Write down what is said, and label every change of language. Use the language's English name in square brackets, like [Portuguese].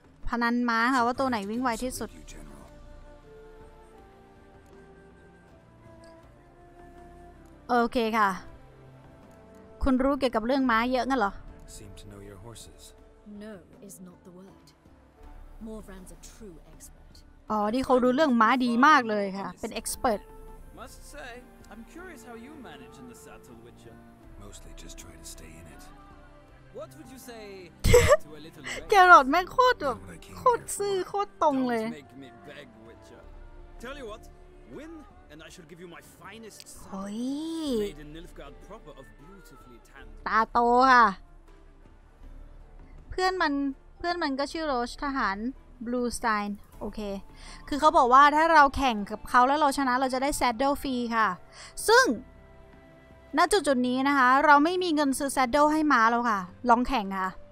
[Thai] พนันม้าค่ะว่าตัวไหนวิ่งไวที่สุดโอเคค่ะคุณรู้เกี่ยวกับเรื่องม้าเยอะงั้นเหรอ [English] Seem to know your horses. No is not the word. Morvran's a true expert. [Thai] อ๋อนี่เขารู้เรื่องม้าดีมากเลยค่ะเป็น expert. [English] Must say, I'm curious how you manage in the saddle, Witcher. Mostly just try to stay in it. What would you say to a little boy? [Thai] แกหลอดแม่งโคตรแบบโคตรซื่อโคตรตรงเลย [English] Don't make me beg, Witcher. Tell you what, win. And I shall give you my finest sword, made in Nilfgaard proper of beautifully tanned. [Thai] ตาโตค่ะเพื่อนมันก็ชื่อโรชทหารบลูสไตน์โอเคคือเขาบอกว่าถ้าเราแข่งกับเขาแล้วเราชนะเราจะได้แซดเดิลฟรีค่ะซึ่งณจุดนี้นะคะเราไม่มีเงินซื้อแซดเดิลให้ม้าแล้วค่ะลองแข่งค่ะ